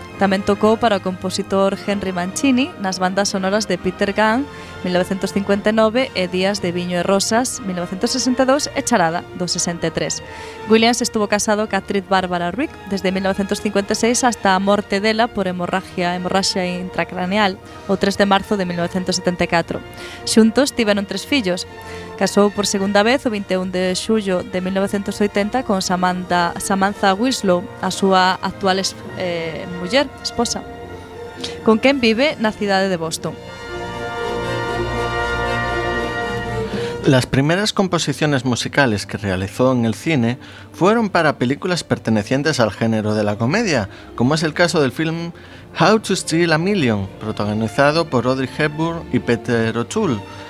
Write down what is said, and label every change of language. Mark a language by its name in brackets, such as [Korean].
[Galician] Tamén tocou para o compositor Henry Mancini nas bandas sonoras de Peter Gunn, 1959, e Días de Viño e Rosas, 1962, e Charada, do 63. Williams [Spanish] estuvo casado [Galician] ca actriz Barbara Rick desde 1956 hasta a morte dela por hemorraxia intracraneal, o 3 de marzo de 1974. Xuntos tiveron 3 fillos. Casou por segunda vez o 21 de xullo de 1980 con Samantha Winslow, a súa actual esposa, con quen vive na cidade de Boston. [Spanish] Las primeras composiciones musicales que realizó en el cine fueron para películas pertenecientes al género de la comedia, como es el caso del film How to Steal a Million, protagonizado por Audrey Hepburn y Peter O'Toole.